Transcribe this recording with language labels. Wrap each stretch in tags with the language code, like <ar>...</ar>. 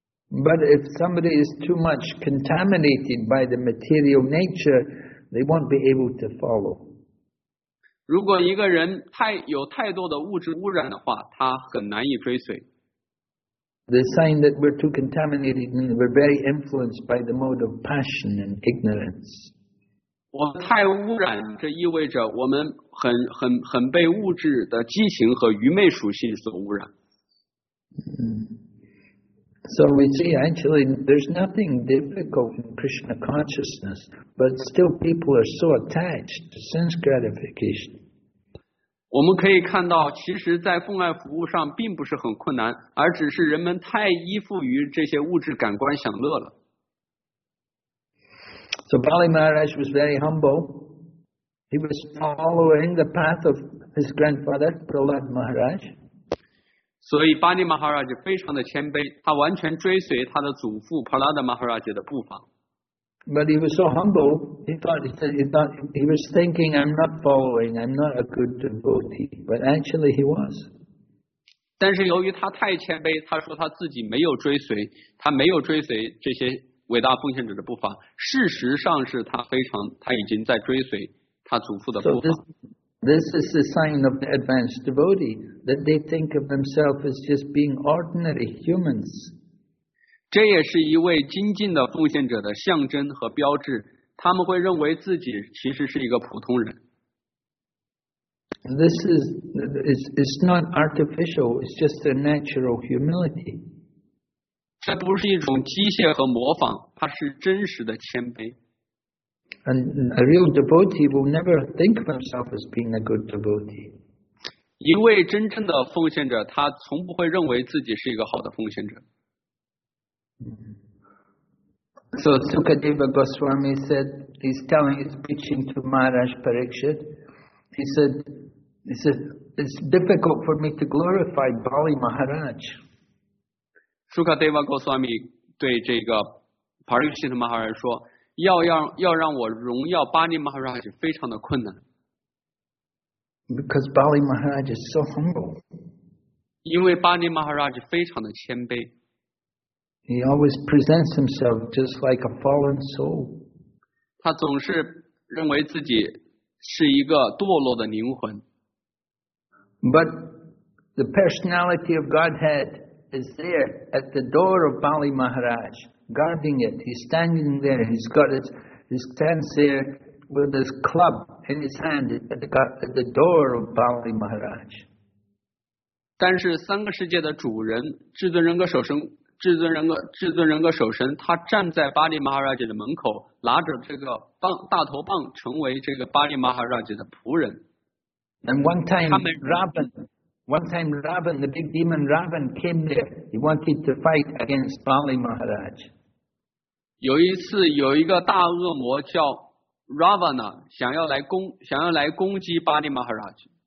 <en>But if somebody is too much contaminated by the material nature, they won't be able to follow.</en> <zh>如果一个人有太多的物质污染的话，他很难以追随。</zh> <en>The sign that we're too contaminated means we're very influenced by the mode of passion and ignorance.</en> <zh>我们太污染，这意味着我们很被物质的激情和愚昧属性所污染。</zh> <en>So we see actually there's nothing difficult in Krishna consciousness, but still people are so attached to sense gratification.</en> <zh>我们可以看到，其实，在奉爱服务上并不是很困难，而只是人们太依附于这些物质感官享乐了。</zh> <en>So Bali Maharaj was very humble. He was following the path of his grandfather Prahlad Maharaj.</en> <zh>所以巴利马哈拉就非常的谦卑，他完全追随他的祖父普拉达马哈拉的步伐。</zh> <en>But he was so humble, he was thinking, I'm not following, I'm not a good devotee. But actually he was.</en> <zh>但是由于他太谦卑，他说他自己没有追随，他没有追随这些伟大奉献者的步伐。事实上是他已经在追随他祖父的步伐。</zh> <en>So this is the sign of the advanced devotee, that they think of themselves as just being ordinary humans.</en> <zh>这也是一位精进的奉献者的象征和标志，他们会认为自己其实是一个普通人。</zh> <en>This is not artificial, it's just a natural humility.</en> <zh>这不是一种机械和模仿，它是真实的谦卑。</zh> <en>And a real devotee will never think of himself as being a good devotee.</en> <zh>一位真正的奉献者，他从不会认为自己是一个好的奉献者。</zh> <en>So Sukadeva Goswami said, he's preaching to Maharaj Parikshit. He said, it's difficult for me to glorify Bali Maharaj.</en> <zh>Sukadeva Goswami 对这个 Parikshit Maharaj 说，要让我荣耀 Bali Maharaj 非常的困难。</zh> <en>Because Bali Maharaj is so humble.</en> <zh>因为 Bali Maharaj 非常的谦卑。</zh> <en>He always presents himself just like a fallen soul.</en> <zh>他总是认为自己是一个堕落的灵魂。</zh> <en>But the personality of Godhead is there at the door of Bali Maharaj, guarding it. He's standing there. He stands there with his club in his hand at the door of Bali Maharaj.</en> <zh>但是三个世界的主人，至尊人格首生。至尊人格首神，他站在巴利马哈拉吉的门口，拿着这个棒大头棒，成为这个巴利马哈拉吉的仆人。</zh> <en>And one time Ravan, the big demon Ravan came there. He wanted to fight against Bali Maharaj.</en> <zh>有一次，有一个大恶魔叫 Ravana， 想要来攻击巴利马哈拉吉。</zh>